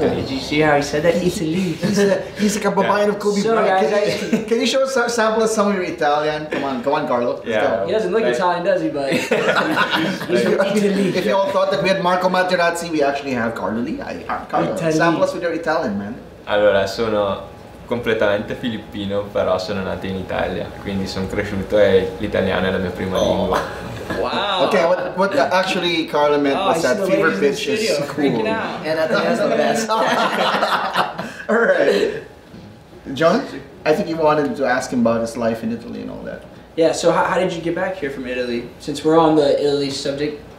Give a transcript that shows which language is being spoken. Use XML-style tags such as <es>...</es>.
<en>Italy. Did you see how he said that? Italy. He's like a babayan of Kobe Bryant. Can you show a sample of some of your Italian? Come on, Carlo. Yeah. He doesn't look Italian, does he, buddy? Italy. If you all thought that we had Marco Materazzi, we actually have Carlo Liay. Carlo, Italy. Sample us with your Italian, man.</en> <it>Allora, sono completamente filippino, però sono nato in Italia. Quindi sono cresciuto e l'italiano è la mia prima lingua.</it> <en>Wow. Okay, what actually Carla meant was that Fever Pitch is cool. And that's the best. Alright. John, I think you wanted to ask him about his life in Italy and all that. Yeah, so how did you get back here from Italy? Since we're on the Italy subject.</en>